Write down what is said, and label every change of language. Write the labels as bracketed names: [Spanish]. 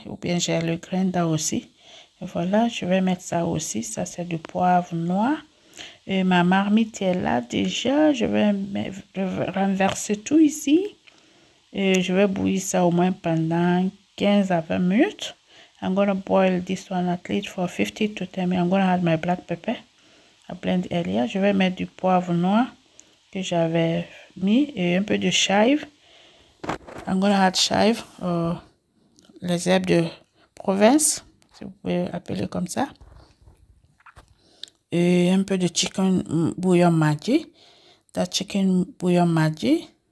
[French] Ou bien j'ai le grinder aussi. Et voilà, je vais mettre ça aussi. Ça, c'est du poivre noir. Et ma marmite est là déjà. Je vais renverser tout ici. Et je vais bouillir ça au moins pendant 15 à 20 minutes. [English] I'm going to boil this one at least for 50 to 10 minutes. I'm going to add my black pepper. I blend earlier. [French] Je vais mettre du poivre noir que j'avais mis et un peu de chive. [English] I'm going to add chive, [French] les herbes de province, si vous pouvez appeler comme ça. Et un peu de chicken bouillon maggi. [English] That chicken bouillon maggi.